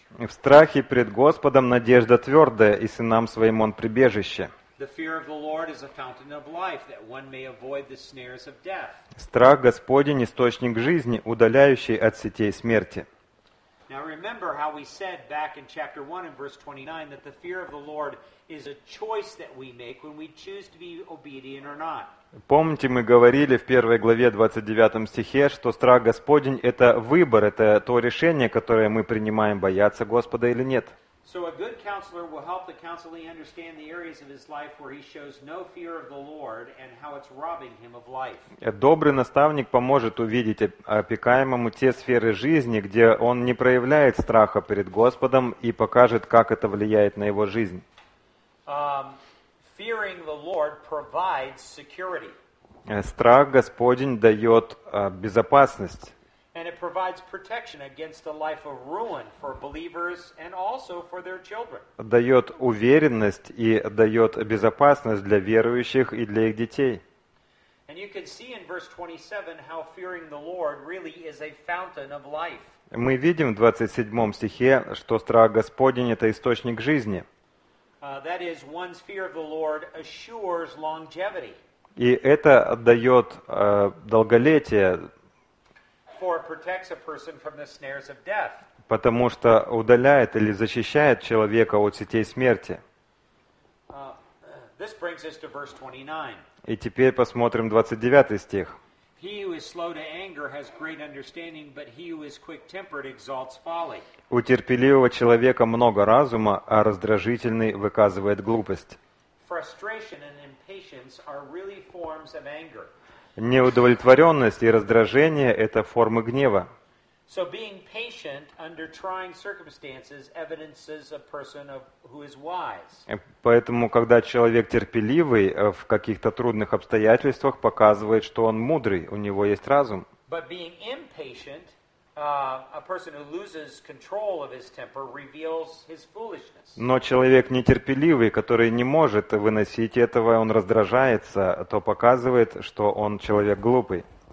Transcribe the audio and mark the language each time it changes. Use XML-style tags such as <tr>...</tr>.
<ru>В страхе пред Господом надежда твердая, и сынам своим он прибежище.</ru> <en>The fear of the Lord is a fountain of life, that one may avoid the snares of death.</en> <ru>Страх Господень источник жизни, удаляющий от сетей смерти.</ru> <en>Now remember how we said back in chapter 1 and verse 29 that the fear of the Lord is a choice that we make when we choose to be obedient or not.</en> <ru>Помните, мы говорили в 1 главе 29 стихе, что страх Господень – это выбор, это то решение, которое мы принимаем, бояться Господа или нет.</ru> <en>So a good counselor will help the counselee understand the areas of his life where he shows no fear of the Lord and how it's robbing him of life.</en> <ru>Добрый наставник поможет увидеть опекаемому те сферы жизни, где он не проявляет страха перед Господом, и покажет, как это влияет на его жизнь.</ru> <en>Fearing the Lord provides security.</en> <ru>Страх Господень дает безопасность.</ru> <en>And it provides protection against a life of ruin for believers and also for their children.</en> <ru>Дает уверенность и дает безопасность для верующих и для их детей.</ru> <en>And you can see in verse 27 how fearing the Lord really is a fountain of life.</en> <ru>Мы видим в 27 стихе, что страх Господень – это источник жизни.</ru> <en>That is, one's fear of the Lord assures longevity.</en> <ru>И это дает долголетие.</ru> <en>For it protects a person from the snares of death.</en> <ru>Потому что удаляет или защищает человека от сетей смерти.</ru> <en>This brings us to verse 29.</en> <ru>И теперь посмотрим 29 стих.</ru> <en>He who is slow to anger has great understanding, but he who is quick-tempered exalts folly.</en> <ru>У терпеливого человека много разума, а раздражительный выказывает глупость.</ru> <en>Frustration and impatience are really forms of anger.</en> <ru>Неудовлетворенность и раздражение – это формы гнева.</ru> <en>So being patient under trying circumstances evidences a person who is wise.</en> <ru>Поэтому, когда человек терпеливый в каких-то трудных обстоятельствах, показывает, что он мудрый, у него есть разум.</ru> <en>But being impatient, a person who loses control of his temper reveals his foolishness.</en> <ru>Но человек нетерпеливый, который не может выносить этого, он раздражается, то показывает, что он человек глупый.</ru>